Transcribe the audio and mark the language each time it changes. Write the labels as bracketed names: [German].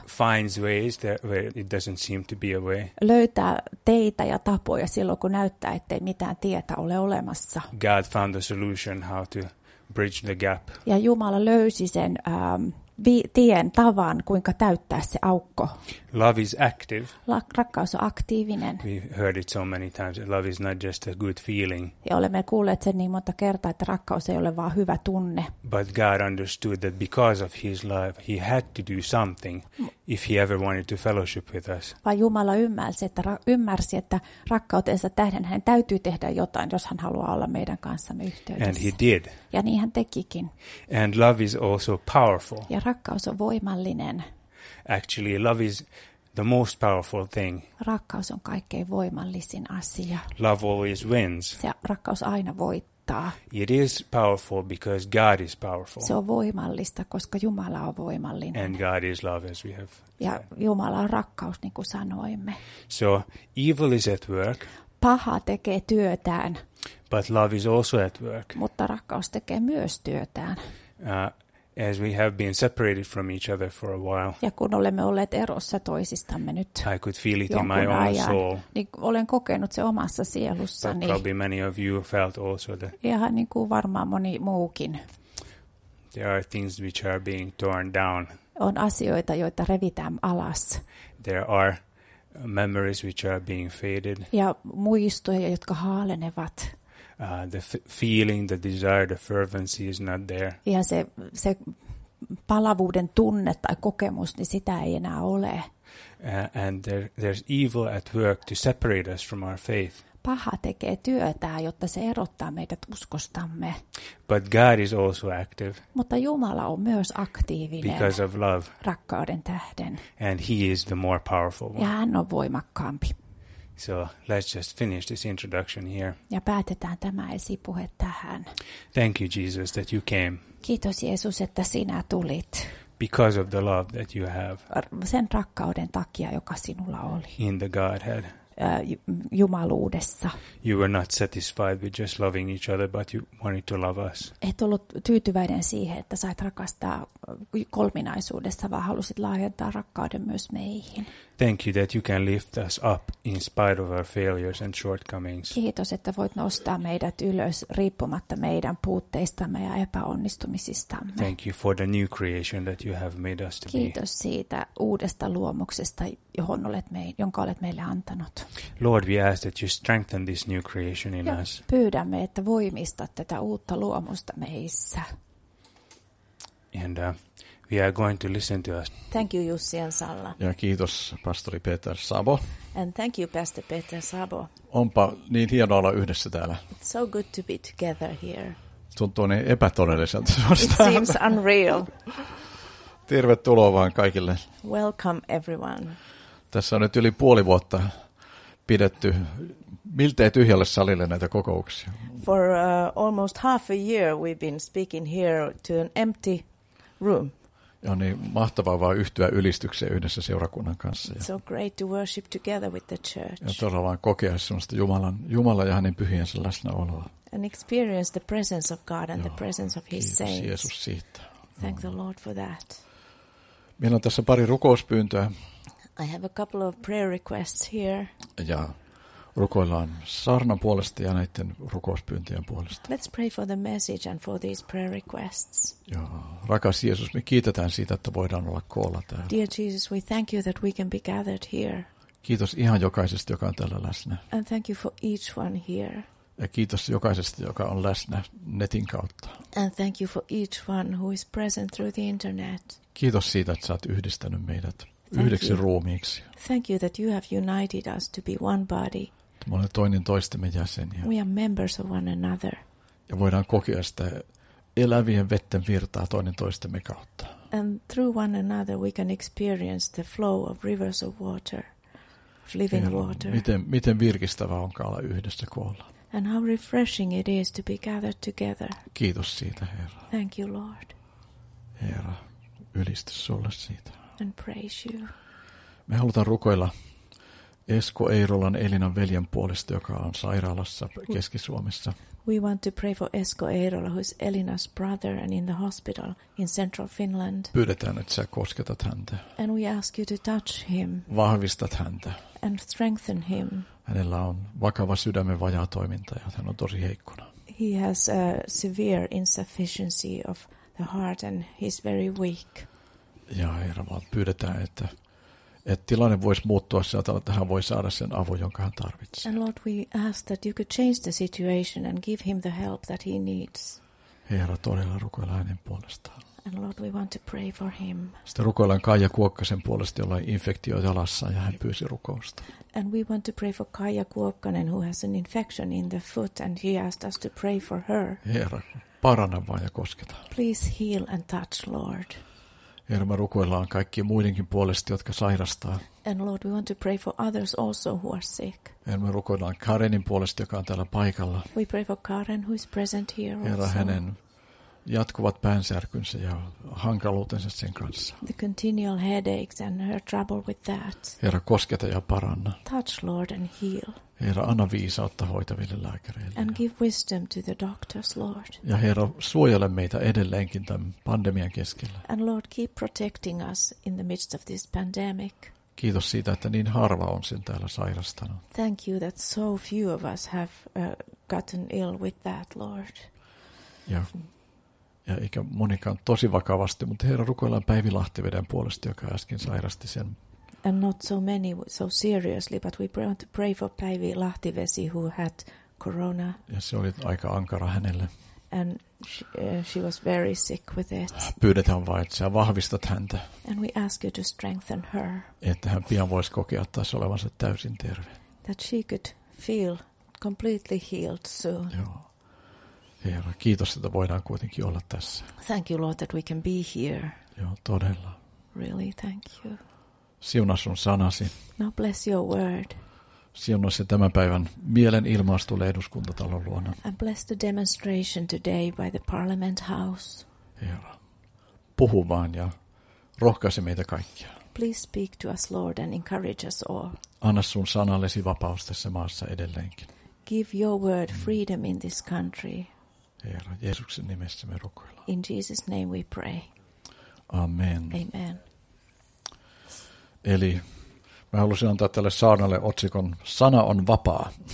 [English] Finds ways that where it doesn't seem to be a way. [Finnish] Löytää teitä ja tapoja silloin, kun näyttää, ettei mitään tietä ole olemassa. [English] God found the solution how to bridge the gap. [Finnish] Ja Jumala löysi sen tien, tavan, kuinka täyttää se aukko. [English] Love is active. [Finnish] Rakkaus on aktiivinen. [English] We heard it so many times. Love is not just a good feeling. [Finnish] Ja olemme kuulleet sen niin monta kertaa, että rakkaus ei ole vaan hyvä tunne. [English] But God understood that because of his love, he had to do something if he ever wanted to fellowship with us. [Finnish] Vaan Jumala ymmärsi, että rakkautensa tähden hän täytyy tehdä jotain, jos hän haluaa olla meidän kanssamme yhteydessä. [English] And he did. [Finnish] Ja niin hän tekikin. [English] And love is also powerful. [Finnish] Ja rakkaus on voimallinen. [English] Actually, love is the most powerful thing. [Finnish] Rakkaus on kaikkein voimallisin asia. [English] Love always wins. [Finnish] Se rakkaus aina voittaa. [English] It is powerful because God is powerful. [Finnish] Se on voimallista, koska Jumala on voimallinen. [English] And God is love, as we have said. [Finnish] Ja Jumala on rakkaus, niin kuin sanoimme. [English] So, evil is at work. [Finnish] Paha tekee työtään. [English] But love is also at work. [Finnish] Mutta rakkaus tekee myös työtään. [English] As we have been separated from each other for a while. [Finnish] Ja kun olemme olleet erossa toisistamme nyt. [English] I could feel it in my own soul. [Finnish] Niin olen kokenut se omassa sielussani. [English] But probably many of you felt also that. [Finnish] Ihan niin kuin varmaan moni muukin. [English] There are things which are being torn down. [Finnish] On asioita, joita revitään alas. [English] There are Memories which are being faded. [Finnish] Ja muistoja, jotka haalenevat. [English] The feeling, the desire, the fervency is not there. [Finnish] Ja se palavuuden tunne tai kokemus, niin sitä ei enää ole. [English] And there's evil at work to separate us from our faith. [Finnish] Paha tekee työtä, jotta se erottaa meidät uskostamme. [English] But God is also active. [Finnish] Mutta Jumala on myös aktiivinen. [English] Because of love. [Finnish] Rakkauden tähden. [English] And he is the more powerful one. [Finnish] Ja hän on voimakkaampi. [English] So let's just finish this introduction here. [Finnish] Ja päätetään tämä esipuhe tähän. [English] Thank you, Jesus, that you came. [Finnish] Kiitos Jeesus, että sinä tulit. [English] Because of the love that you have. [Finnish] Sen rakkauden takia, joka sinulla oli. [English] In the Godhead. [Finnish] Jumaluudessa. [English] You were not satisfied with just loving each other, but you wanted to love us. [Finnish] Et ollut tyytyväinen siihen, että sait rakastaa kolminaisuudessa, vaan halusit laajentaa rakkauden myös meihin. [English] Thank you that you can lift us up in spite of our failures and shortcomings. [Finnish] Kiitos, että voit nostaa meidät ylös riippumatta meidän puutteistamme ja epäonnistumisistamme. [English] Thank you for the new creation that you have made us to be. [Finnish] Kiitos siitä uudesta luomuksesta, jonka olet meille antanut. [English] Lord, we ask that you strengthen this new creation in us. [Finnish] Pyydämme, että voimistat tätä uutta luomusta meissä. [English] And we are going to listen to us. Thank you, Jussi and Salla. [Finnish] Ja kiitos, pastori Peter Sabo. [English] And thank you, pastor Peter Sabo. [Finnish] Onpa niin hienoa olla yhdessä täällä. [English] It's so good to be together here. [Finnish] Tuntuu niin epätodelliselta. [English] It seems unreal. [Finnish] Tervetuloa vaan kaikille. [English] Welcome everyone. [Finnish] Tässä on nyt yli puoli vuotta pidetty miltei tyhjälle salille näitä kokouksia. [English] For almost half a year we've been speaking here to an empty room. [Finnish] Ja niin mahtavaa vaan yhtyä ylistykseen yhdessä seurakunnan kanssa. [English] It's so great to worship together with the church. [Finnish] Ja todella vaan kokea semmoista Jumalan ja hänen pyhiensä läsnäoloa. [English] And experience the presence of God and the presence of his saints. [Finnish] Kiitos Jeesus siitä. [English] Thank the Lord for that. [Finnish] Meillä on tässä pari rukouspyyntöä. [English] I have a couple of prayer requests here. [Finnish] Ja rukoillaan saarnan puolesta ja näiden rukouspyyntöjen puolesta. [English] Let's pray for the message and for these prayer requests. [Finnish] Ja rakas Jeesus, me kiitetään siitä, että voidaan olla koolla täällä. [English] Dear Jesus, we thank you that we can be gathered here. [Finnish] Kiitos ihan jokaisesta, joka on täällä läsnä. [English] And thank you for each one here. [Finnish] Ja kiitos jokaisesta, joka on läsnä netin kautta. [English] And thank you for each one who is present through the internet. [Finnish] Kiitos siitä, että sä oot yhdistänyt meidät. Yhdeksi ruumiiksi. [English] Thank you that you have united us to be one body. [Finnish] Me olemme toinen toistemme jäseniä. [English] We are members of one another. [Finnish] Ja voidaan kokea sitä elävien vetten virtaa toinen toistemme kautta. [English] And through one another we can experience the flow of rivers of water, of living water. [Finnish] Miten virkistävää onkaan olla yhdessä kuolla. [English] And how refreshing it is to be gathered together. [Finnish] Kiitos siitä, Herra. [English] Thank you, Lord. [Finnish] Herra, ylistys sulle siitä. [English] And praise you. [Finnish] Me halutaan rukoilla Esko Eirolan Elinan veljen puolesta, joka on sairaalassa Keski-Suomessa. [English] We want to pray for Esko Eirola, who is Elina's brother and in the hospital in central Finland. [Finnish] Pyydetään, että sä kosketat häntä. [English] And we ask you to touch him. [Finnish] Vahvistat häntä. [English] And strengthen him. [Finnish] Hänellä on vakava sydämen vajaatoiminta ja hän on tosi heikkona. [English] He has a severe insufficiency of the heart and he's very weak. [Finnish] Ja Herra, vaan pyydetään, että tilanne voisi muuttua sieltä, että hän voi saada sen avun, jonka hän tarvitsee. [English] And Lord, we ask that you could change the situation and give him the help that he needs. [Finnish] Herra, todella rukoillaan hänen puolestaan. [English] And Lord, we want to pray for him. [Finnish] Sitten rukoillaan Kaija Kuokkasen puolesta, jolla on infektio jalassa ja hän pyysi rukousta. [English] And we want to pray for Kaija Kuokkanen, who has an infection in the foot, and he asked us to pray for her. [Finnish] Herra, paranna vaan ja kosketa. [English] Please heal and touch, Lord. [Finnish] Herra, me rukoillaan kaikkien muidenkin puolesta, jotka sairastaa. [English] And Lord, we want to pray for others also who are sick. [Finnish] Herra, me rukoillaan Karenin puolesta, joka on täällä paikalla. [English] We pray for Karen, who is present here also. [Finnish] Herra, hänen jatkuvat päänsärkynsä ja hankaluutensa sen kanssa. [English] The continual headaches and her trouble with that. [Finnish] Herra, kosketa ja paranna. [English] Touch, Lord, and heal. [Finnish] Herra, anna viisautta hoitaville lääkäreille. [English] And give wisdom to the doctors, Lord. [Finnish] Ja Herra, suojele meitä edelleenkin tämän pandemian keskellä. [English] And Lord, keep protecting us in the midst of this pandemic. [Finnish] Kiitos siitä, että niin harva on sen täällä sairastanut. [English] Thank you that so few of us have gotten ill with that, Lord. [Finnish] Ja eikä monikaan tosi vakavasti, mutta Herra, rukoillaan Päivi Lahtiveden puolesta, joka äsken sairasti sen [English] and not so many so seriously, but we want to pray for Päivi Lahtivesi, who had corona. [Finnish] Ja se oli aika ankara hänelle. [English] And she was very sick with it. [Finnish] Pyydetään vain, että sä vahvistat häntä. [English] And we ask you to strengthen her. [Finnish] Että hän pian voisi kokea taas olevansa täysin terve. [English] That she could feel completely healed soon. [Finnish] Joo. Herra, kiitos, että voidaan kuitenkin olla tässä. [English] Thank you, Lord, that we can be here. [Finnish] Joo, todella. [English] Really, thank you. [Finnish] Siunaa sun sanasi. [English] Now bless your word. [Finnish] Siunaa se tämän päivän mielenilmaustulle eduskuntatalon luona. [English] And bless the demonstration today by the Parliament House. [Finnish] Herra, puhu vaan ja rohkaise meitä kaikkia. [English] Please speak to us, Lord, and encourage us all. [Finnish] Anna sun sanallesi vapaus tässä maassa edelleenkin. [English] Give your word freedom in this country. [Finnish] Herra, Jeesuksen nimessä me rukoillaan. [English] In Jesus' name we pray. Amen. Amen. [Finnish] Eli mä halusin antaa tälle saarnalle otsikon Sana on vapaa.